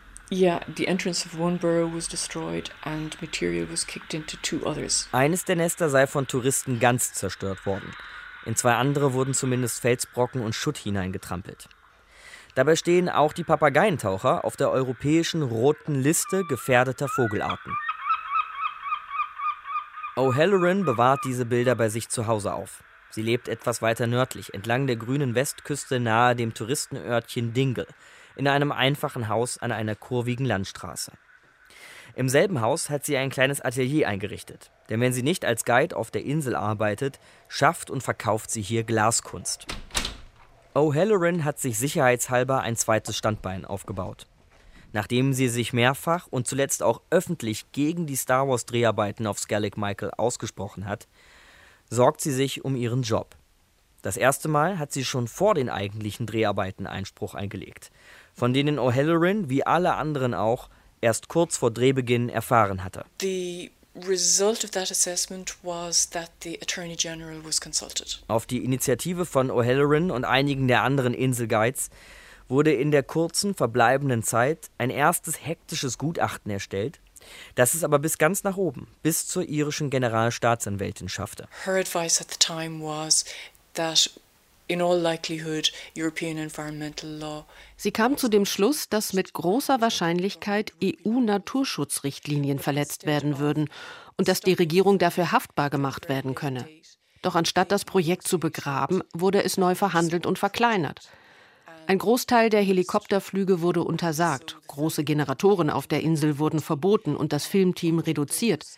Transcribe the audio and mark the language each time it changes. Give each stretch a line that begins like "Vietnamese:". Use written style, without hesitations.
English: Yeah, the entrance of one burrow was destroyed and material was kicked into two others.
German: Eines der Nester sei von Touristen ganz zerstört worden. In zwei andere wurden zumindest Felsbrocken und Schutt hineingetrampelt. Dabei stehen auch die Papageientaucher auf der europäischen roten Liste gefährdeter Vogelarten. O'Halloran bewahrt diese Bilder bei sich zu Hause auf. Sie lebt etwas weiter nördlich, entlang der grünen Westküste nahe dem Touristenörtchen Dingle, in einem einfachen Haus an einer kurvigen Landstraße. Im selben Haus hat sie ein kleines Atelier eingerichtet. Denn wenn sie nicht als Guide auf der Insel arbeitet, schafft und verkauft sie hier Glaskunst. O'Halloran hat sich sicherheitshalber ein zweites Standbein aufgebaut. Nachdem sie sich mehrfach und zuletzt auch öffentlich gegen die Star-Wars-Dreharbeiten auf Skellig Michael ausgesprochen hat, sorgt sie sich um ihren Job. Das erste Mal hat sie schon vor den eigentlichen Dreharbeiten Einspruch eingelegt, von denen O'Halloran, wie alle anderen auch, erst kurz vor Drehbeginn erfahren hatte.
English: The result of that assessment was that the Attorney General was consulted.
German: Auf die Initiative von O'Halloran und einigen der anderen Inselguides wurde in der kurzen verbleibenden Zeit ein erstes hektisches Gutachten erstellt, das es aber bis ganz nach oben, bis zur irischen Generalstaatsanwältin schaffte.
English: Her advice at the time was that in all likelihood European environmental law.
German: Sie kam zu dem Schluss, dass mit großer Wahrscheinlichkeit EU-Naturschutzrichtlinien verletzt werden würden und dass die Regierung dafür haftbar gemacht werden könne. Doch anstatt das Projekt zu begraben, wurde es neu verhandelt und verkleinert. Ein Großteil der Helikopterflüge wurde untersagt, große Generatoren auf der Insel wurden verboten und das Filmteam reduziert.